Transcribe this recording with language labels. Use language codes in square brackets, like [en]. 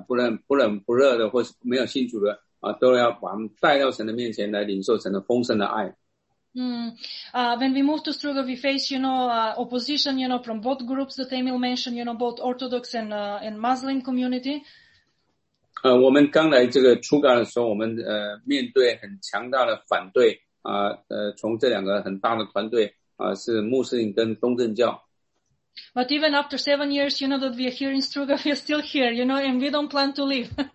[zh] 所以我们就才会来到这个主导这个地方，在马其顿。那我们爱这个地方，我们爱能够在这里传福音给那些人，不冷不热的或是没有信主的。 [en] When we moved to Struga, we faced, you know, opposition, you know, from both groups that Emil mentioned, you know, both Orthodox and Muslim community. [zh] 我们刚来这个Struga的时候，我们面对很强大的反对，从这两个很大的团队，是穆斯林跟东正教。 [en] But even after 7 years, you know, that we are here in Struga, we are still here, you know, and we don't plan to leave.